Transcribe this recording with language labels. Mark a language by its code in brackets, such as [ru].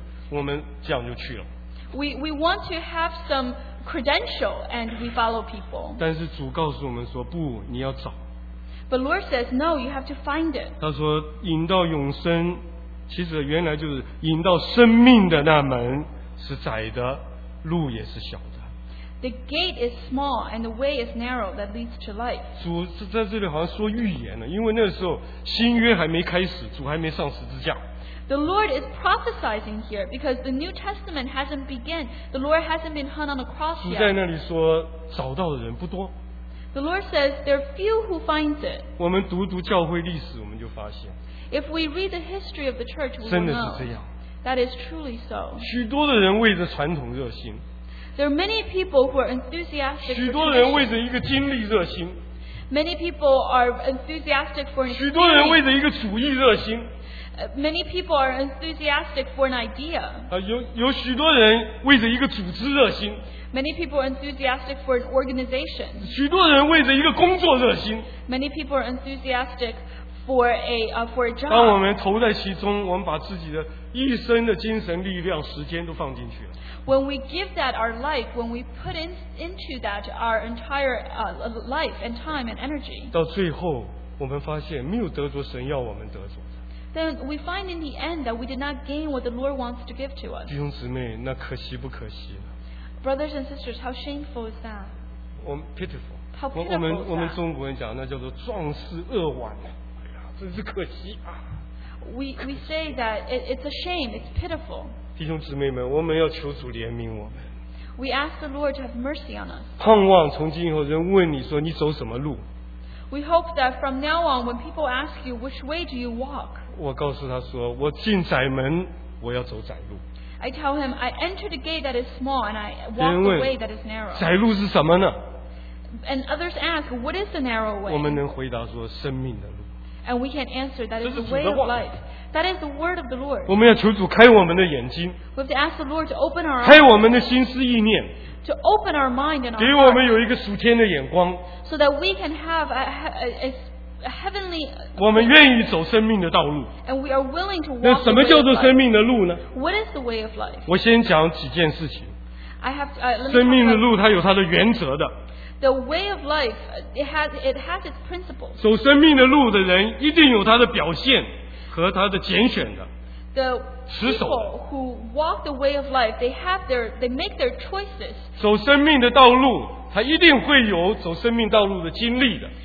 [zh] 我们希望有一点点的资格，有一些的，哈，别人可以具体看见，说我有这个资格，我们这样就去了。 [en] We want to have some credential and we follow people. [zh] 但是主告诉我们说，不，你要找。 [en] But Lord says no, you have to find it. [zh] 他说引到永生，其实原来就是引到生命的那门是窄的，路也是小的。 [en] The gate is small and the way is narrow that leads to life. [zh] 主在这里好像说预言了，因为那个时候新约还没开始，主还没上十字架。 [en] The Lord is prophesizing here because the New Testament hasn't begun. The Lord hasn't been hung on the cross yet. [zh] 主在那里说找到的人不多。 [en] The Lord says there are few who find it. [zh] 我们读读教会历史，我们就发现。 [en] If we read the history of the church, we know. [zh] 真的是这样。 [en] That is truly so. [zh] 许多的人为着传统热心。 [en] There are many people who are enthusiastic for [zh] 许多人为着一个经历热心。 [en] Many people are enthusiastic for [zh] 许多人为着一个主义热心。 [en] Many people are enthusiastic for an idea. [zh] 有许多人为着一个组织热心。 [en] Many people are enthusiastic for an organization. [zh] 许多人为着一个工作热心。 [en] Many people are enthusiastic for a job. [zh] 当我们投在其中，我们把自己的一生的精神力量、时间都放进去了。 [en] When we give that our life, when we put into that our entire life and time and energy. [zh] 到最后，我们发现没有得着神要我们得着。 [en] Then we find in the end that we did not gain what the Lord wants to give to us. [zh] 弟兄姊妹，那可惜不可惜呢？ [en] Brothers and sisters, how shameful is that? Pitiful. How pitiful is that? [zh] 我们中国人讲那叫做壮士扼腕，哎呀，真是可惜啊。 [en] We say that it's a shame, it's pitiful. [zh] 弟兄姊妹们，我们要求主怜悯我们。 [en] We ask the Lord to have mercy on us. [zh] 盼望从今以后人问你说你走什么路？ [en] We hope that from now on, when people ask you which way do you walk. [zh] 我告诉他说，我进窄门，我要走窄路。 [en] I tell him, I enter the gate that is small and I walk the way that is narrow. [zh] 窄路是什么呢？ [en] And others ask, what is the narrow way? [zh] 我们能回答说，生命的路。 [en] And we can answer, that is the way of life. That is the word of the Lord. [zh] 我们要求主开我们的眼睛。 [en] We have to ask the Lord to open our eyes. [zh] 开我们的心思意念。 [en] To open our mind and our heart. [zh] 给我们有一个属天的眼光。 [en] So that we can have a heavenly. [zh] 我们愿意走生命的道路。 [en] And we are willing to walk. [zh] 那什么叫做生命的路呢？ [en] What is the way of life? [zh] 我先讲几件事情。 [en] I have to, [zh] 生命的路它有它的原则的。 [en] The way of life, it has its principles. [zh] 走生命的路的人一定有他的表现和他的拣选的。 [en] The people who walk the way of life, they make their choices. [zh] 走生命的道路，他一定会有走生命道路的经历的。